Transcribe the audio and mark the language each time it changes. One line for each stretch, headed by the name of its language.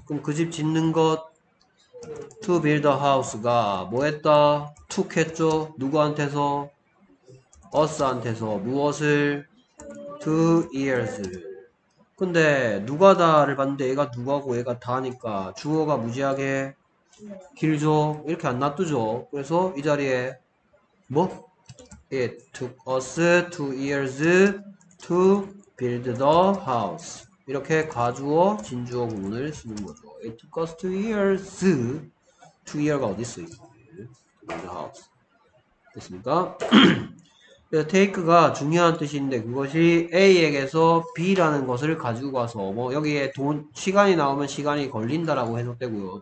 Korean: 그럼 그집 짓는 것,
English: to build the house
Korean: 가 뭐 했다? took 했죠. 누구한테서? us한테서 무엇을? 2 years. 근데 누가다를 봤는데 얘가 누가고 얘가 다니까 주어가 무지하게 길죠. 이렇게 안 놔두죠. 그래서 이 자리에 뭐?
English: It took us 2 years to build the house.
Korean: 이렇게 가주어 진주어 구문을 쓰는 거죠.
English: It took us 2 years. 2 year가
Korean: 어딨어요?
English: Build the house.
Korean: 됐습니까? take가 중요한 뜻인데 그것이 A에게서 B라는 것을 가지고 가서 뭐 여기에 돈 시간이 나오면 시간이 걸린다라고 해석되고요.